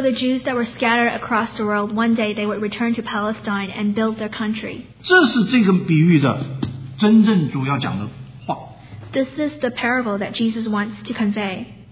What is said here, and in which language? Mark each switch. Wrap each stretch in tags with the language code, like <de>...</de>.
<en>the Jews that were scattered across the world, one day they would return to Palestine and build their country.</en> <zh>这是这个比喻的真正主要讲的话。</zh> <en>This is the parable that Jesus wants to convey.</en>